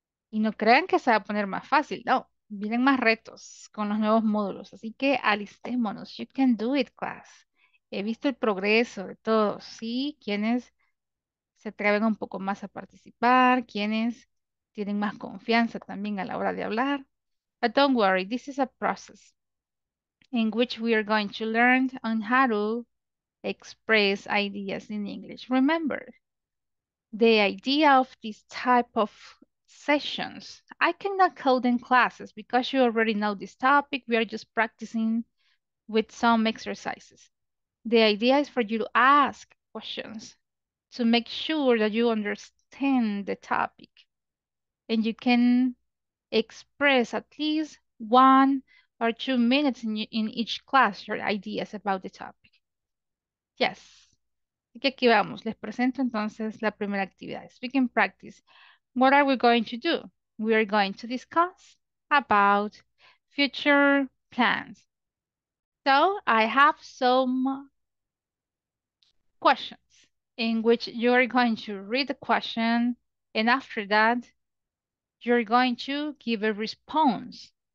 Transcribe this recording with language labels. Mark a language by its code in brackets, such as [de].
[es] Y no crean que se va a poner más fácil, no. Vienen más retos con los nuevos módulos. Así que alistémonos. [en] You can do it, class. [es] He visto el progreso de todos, ¿sí? Quienes se atreven un poco más a participar, quienes tienen más confianza también a la hora de hablar. [en] But don't worry, this is a process in which we are going to learn on how to express ideas in English. Remember, the idea of this type of sessions, I cannot call them classes because you already know this topic. We are just practicing with some exercises. The idea is for you to ask questions to make sure that you understand the topic and you can express at least 1 or 2 minutes in each class your ideas about the topic. Yes. [es] Y que aquí vamos, les presento entonces la primera actividad. [en] Speak and practice. What are we going to do? We are going to discuss about future plans. So I have some questions in which you are going to read the question. And after that, you're going to give a response.